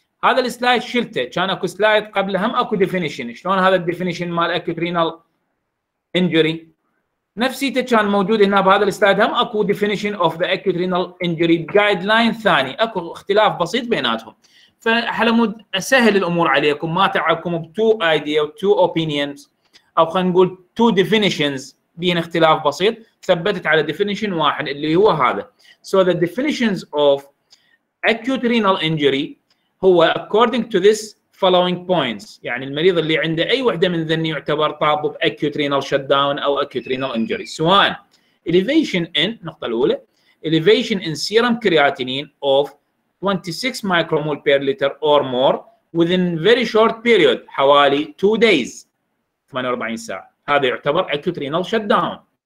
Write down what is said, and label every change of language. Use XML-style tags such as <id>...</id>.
<ar>هذا السلايد شلته، كان اكو سلايد قبل هم اكو ديفينيشن، شلون هذا الديفينيشن مال اكيوت رينال انجري نفسيته كان موجود هنا بهذا السلايد، هم اكو</ar> <en>definition of the acute renal injury guideline</en> <ar>ثاني، اكو اختلاف بسيط بيناتهم. فحلمود اسهل الامور عليكم ما تعبكم بتو ايديا وتو اوبينيونز او خلينا نقول تو ديفينيشنز بين اختلاف بسيط ثبتت على ديفينيشن واحد اللي هو هذا.</ar> <en>So the definitions of acute renal injury هو according to this following points.</en> <ar>يعني المريض اللي عنده أي واحدة من ذني يعتبر طابه ب acute renal shutdown أو acute renal injury.</ar> <en>سواء elevation in</en> <ar>نقطة الأولى</ar> <en>elevation in serum creatinine of 26 micromole per liter or more within very short period حوالي 2 days</en> <ar>48 ساعة، هذا يعتبر</ar> <en>acute renal shutdown.</en>